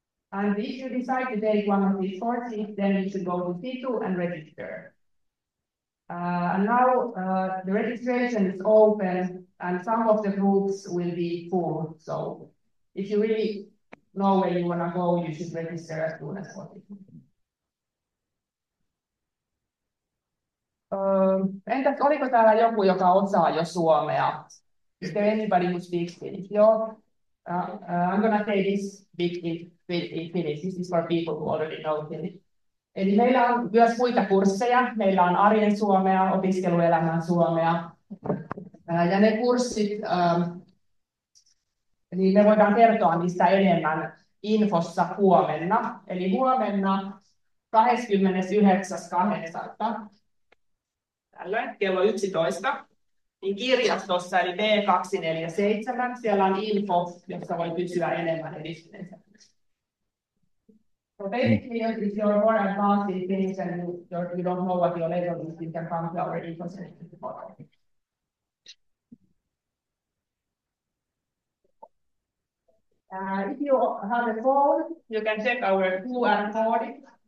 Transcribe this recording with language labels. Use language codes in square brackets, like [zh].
[en] And if you decide to take one of these courses, then you should go to Fitu and register. And now the registration is open, and some of the groups will be full. So if you really know where you want to go, you should register as soon as possible. [fi] Entäs oliko täällä joku, joka osaa jo suomea? [en] Is there anybody who speaks Finnish? [fi] Joo. [en] I'm going to say this bit in Finnish. This is for people who already know Finnish. [fi] Eli meillä on myös muita kursseja. Meillä on arjen suomea, opiskeluelämän suomea. Ja ne kurssit, niin me voidaan kertoa niistä enemmän infossa huomenna. Eli huomenna 29.8. tällöin kello 11, niin kirjastossa, eli B247, siellä on info, jossa voi kysyä enemmän edistyneistä. [en] So basically, if you're more advanced in Finnish and you don't know what your level is, you can come to our info session tomorrow. If you have a phone, you can check our QR recording.